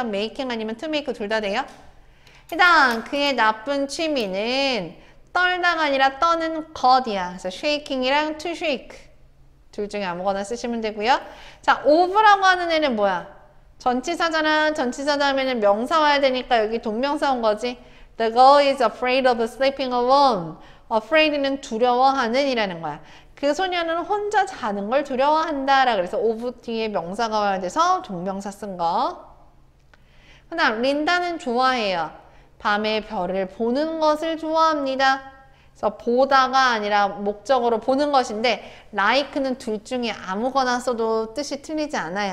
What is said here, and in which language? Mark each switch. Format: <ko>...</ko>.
<ko>making 아니면 to make 둘다 돼요. 그다음 그의 나쁜 취미는 떨다가 아니라 떠는 것이야. 그래서 shaking이랑 to shake 둘 중에 아무거나 쓰시면 되고요. 자, of라고 하는 애는 뭐야? 전치사잖아. 전치사다음에는 명사 와야 되니까 여기 동명사 온 거지.</ko> <en>The girl is afraid of sleeping alone.</en> <ko>Afraid는 두려워하는 이라는 거야. 그 소녀는 혼자 자는 걸 두려워한다. 라 그래서 of 뒤에 명사가 와야 돼서 동명사 쓴 거. 그다음 린다는 좋아해요. 밤에 별을 보는 것을 좋아합니다. 그래서 보다가 아니라 목적으로 보는 것인데 like는 둘 중에 아무거나 써도 뜻이 틀리지 않아요.</ko>